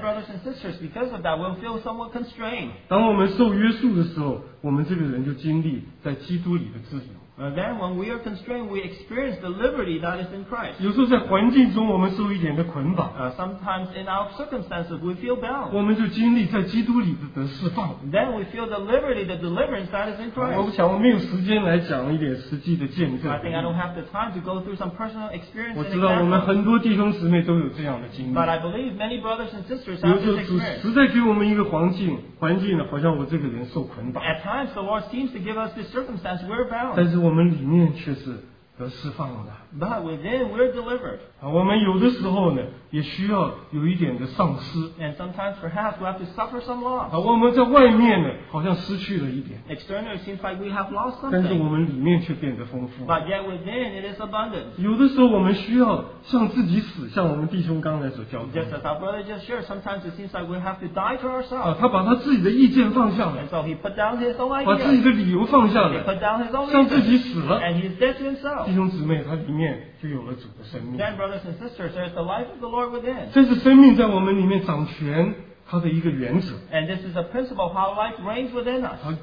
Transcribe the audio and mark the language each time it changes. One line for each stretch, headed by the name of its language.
English: brothers and sisters, because of that, we'll feel somewhat constrained.
Chinese: 当我们受约束的时候，我们这个人就经历在基督里的自由。
English: Then when we are constrained, we experience the liberty that is in Christ.
Chinese: 有时候在环境中我们受一点的捆绑,
English: sometimes in our circumstances, we feel bound.
Chinese: 我们就经历在基督里的释放,
English: then we feel the liberty, the deliverance that is in Christ.
Chinese: 我想我没有时间来讲一点实际的见证。
English: I think I don't have the time to go through some personal experience.
Chinese: 我知道我们很多弟兄姊妹都有这样的经历。
English: But I believe many brothers and sisters have this experience.
Chinese: 实在给我们一个环境呢,好像我这个人受捆绑。
English: At times, the Lord seems to give us this circumstance, we're bound.
Chinese: 但是我们里面却是得释放的。
English: But within we're delivered.
Chinese: 我们有的时候呢，也需要有一点的丧失。
English: And sometimes perhaps we have to suffer some loss.
Chinese: 我们在外面呢，好像失去了一点。
English: Externally it seems like we have lost something.
Chinese: 但是我们里面却变得丰富。
English: But yet within it is abundant.
Chinese: 有的时候我们需要向自己死，像我们弟兄刚才所教导。
English: Just as our brother just shared, sometimes it seems like we have to die to ourselves.
Chinese: 他把他自己的意见放下了。
English: And so he put down his own idea.
Chinese: 把自己的理由放下了。
English: He put down his own reason.
Chinese: 向自己死了。
English: And he's dead to himself.
Chinese: 弟兄姊妹。
English: Then, brothers and sisters, there is the life of the Lord within.
Chinese: 这是生命在我们里面掌权, 它的一个原则。
English: And this is a principle how life reigns within us.